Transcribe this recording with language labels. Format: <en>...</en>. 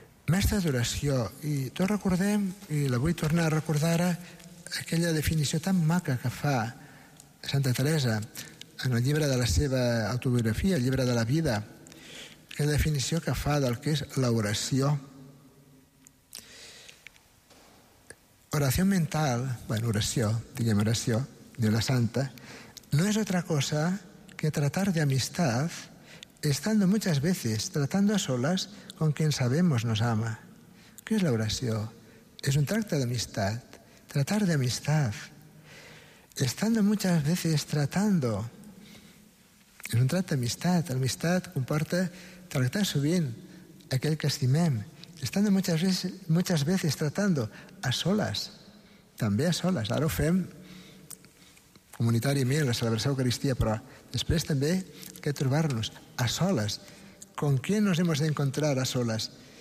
<ca>Mestra d'oració, i tots recordem, i la vull tornar a recordar ara, aquella definició tan maca que fa Santa Teresa en el llibre de la seva autobiografia, el llibre de la vida, aquella definició que fa del que és l'oració. Oració mental, bueno, oració, diguem oració, de la santa,</ca> <es>no es otra cosa que tratar de amistad, estando muchas veces tratando a solas con quien sabemos nos ama. ¿Qué es la oración? Es un tracto de amistad, tratar de amistad. Estando muchas veces tratando, es un tracto de amistad. La amistad comporta tratarse bien aquel que estimem. Estando muchas veces tratando a solas, también a solas.</es> <ca>Ahora lo fem comunitàriament, la celebració de l'Eucaristia, però després també que trobar-nos a soles.</ca> <es>¿Con quién nos hemos de encontrar a soles?</es>